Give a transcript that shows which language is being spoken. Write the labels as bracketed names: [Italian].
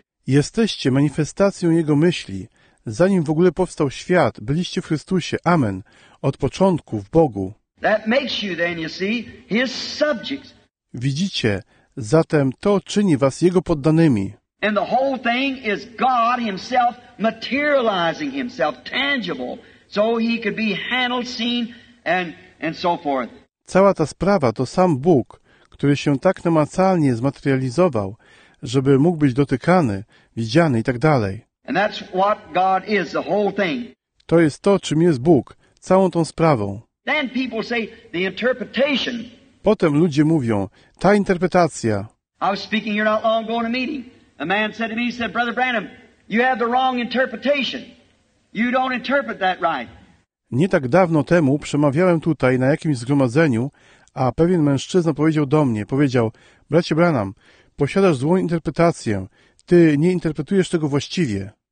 [Polish] Jesteście manifestacją jego myśli. Zanim w ogóle powstał świat, byliście w Chrystusie. Amen. Od początku w Bogu. [English] That makes you then, you see, his subjects. [Polish] Widzicie, zatem to czyni was jego poddanymi. [English] And the whole thing is God himself materializing himself, tangible. So he could be handled, seen, and so forth. [Polish] Cała ta sprawa to sam Bóg, który się tak namacalnie zmaterializował, żeby mógł być dotykany, widziany i tak dalej. [English] And that's what God is, the whole thing. [Polish] To jest to, czym jest Bóg, całą tą sprawą. [English] Then people say the interpretation. [Polish] Potem ludzie mówią, ta interpretacja. [English] I was speaking here not long ago in a meeting. A man said to me, he said, Brother Branham, you have the wrong interpretation. You don't interpret that right. [Polish] Nie tak dawno temu przemawiałem tutaj na jakimś zgromadzeniu, a pewien mężczyzna powiedział, bracie Branham, posiadasz złą interpretację. Ty nie interpretujesz tego właściwie.